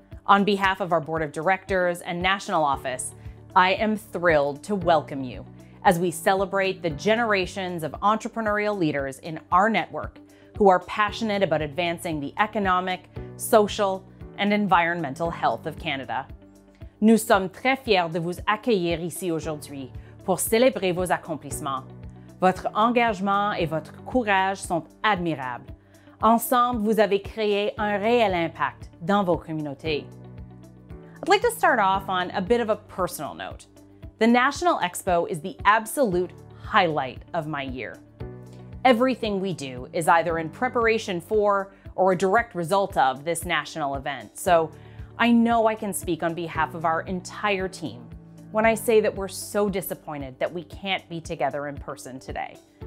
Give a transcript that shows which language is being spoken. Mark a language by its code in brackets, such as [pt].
[en] On behalf of our board of directors and national office, I am thrilled to welcome you as we celebrate the generations of entrepreneurial leaders in our network who are passionate about advancing the economic, social, and environmental health of Canada. [fr] Nous sommes très fiers de vous accueillir ici aujourd'hui pour célébrer vos accomplissements. Votre engagement et votre courage sont admirables. Ensemble, vous avez créé un réel impact dans vos communautés. [en] I'd like to start off on a bit of a personal note. The National Expo is the absolute highlight of my year. Everything we do is either in preparation for or a direct result of this national event. So I know I can speak on behalf of our entire team when I say that we're so disappointed that we can't be together in person today.